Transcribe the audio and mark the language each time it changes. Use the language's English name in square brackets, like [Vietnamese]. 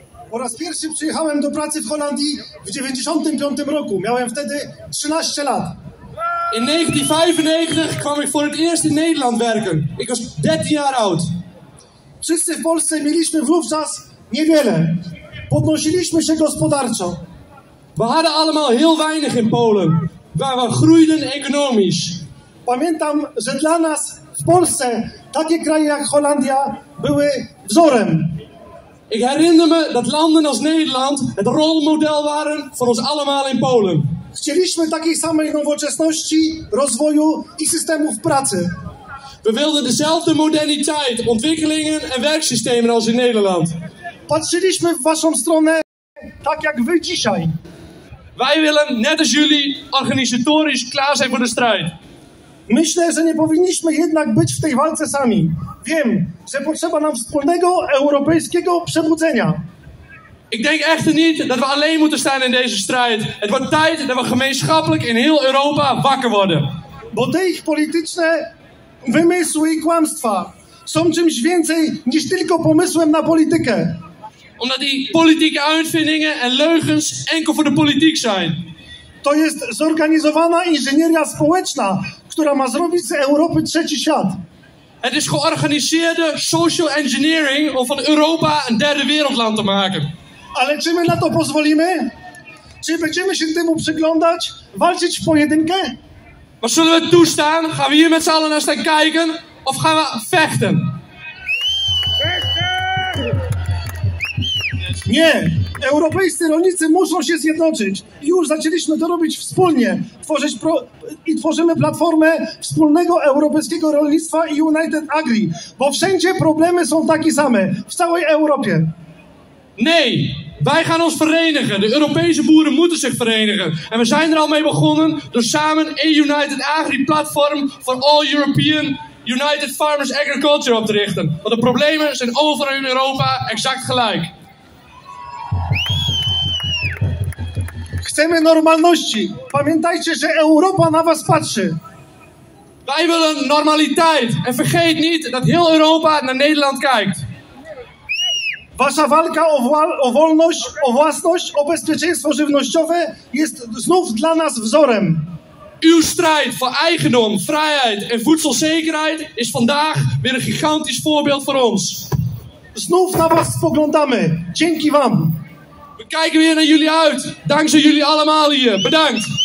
[Polish] Po raz pierwszy przyjechałem do pracy w Holandii w 1995 roku. Miałem wtedy 13 lat. [Dutch] In 1995 kwam ik voor het eerst in Nederland werken. Ik was 13 jaar oud. [Polish] Wszyscy w Polsce mieliśmy wówczas niewiele. Podnosiliśmy się gospodarczo. [Dutch] We hadden allemaal heel weinig in Polen. Waar we groeiden economisch. [Polish] Pamiętam, że dla nas w Polsce takie kraje jak Holandia były wzorem. [Dutch] Ik herinner me dat landen als Nederland het rolmodel waren voor ons allemaal in Polen. [Polish] Chcieliśmy takiej samej nowoczesności, rozwoju i systemów pracy. [Dutch] We wilden dezelfde moderniteit, ontwikkelingen en werksystemen als in Nederland. [Polish] Patrzyliśmy w waszą stronę tak jak wy dzisiaj. [Dutch] Wij willen, net als jullie, organisatorisch klaar zijn voor de strijd. [Polish] Myślę, że nie powinniśmy jednak być w tej walce sami. Wiem, że potrzeba nam wspólnego europejskiego przebudzenia. [Dutch] Ik denk echt niet dat we alleen moeten staan in deze strijd. Het wordt tijd dat we gemeenschappelijk in heel Europa wakker worden. [Polish] Bo te ich polityczne wymysły i kłamstwa są czymś więcej niż tylko pomysłem na politykę. [Dutch] omdat die politieke uitvindingen en leugens enkel voor de politiek zijn. [Polish] To jest zorganizowana inżynieria społeczna, która ma zrobić z Europy trzeci świat. [Dutch] Het is georganiseerde social engineering om van Europa een derde wereldland te maken. [Polish] Ale czy my na to pozwolimy? Czy będziemy się temu przyglądać? Walczyć w pojedynkę? [Dutch] Maar zullen we toestaan? Gaan we hier met z'n allen naar staan kijken? Of gaan we vechten? [Polish] Nie! Europejscy rolnicy muszą się zjednoczyć. Już zaczęliśmy to robić wspólnie. Tworzymy platformę wspólnego europejskiego rolnictwa i United Agri. Bo wszędzie problemy są takie same. W całej Europie. [Dutch] Nee! Wij gaan ons verenigen. De Europese boeren moeten zich verenigen. En we zijn er al mee begonnen door samen E-United Agri Platform for All European United Farmers Agriculture op te richten. Want de problemen zijn overal in Europa exact gelijk. [Polish] Chcemy normalności. Pamiętajcie, że Europa na was patrzy. [Dutch] Wij willen normaliteit. En vergeet niet dat heel Europa naar Nederland kijkt. [Polish] Wasza walka o wolność, o własność, o bezpieczeństwo żywnościowe jest znów dla nas wzorem. [Dutch] Uw strijd voor eigendom, vrijheid en voedselzekerheid is vandaag weer een gigantisch voorbeeld voor ons. [Polish] Znów na was spoglądamy. Dzięki wam. [Dutch] We kijken weer naar jullie uit. Dankzij jullie allemaal hier. Bedankt.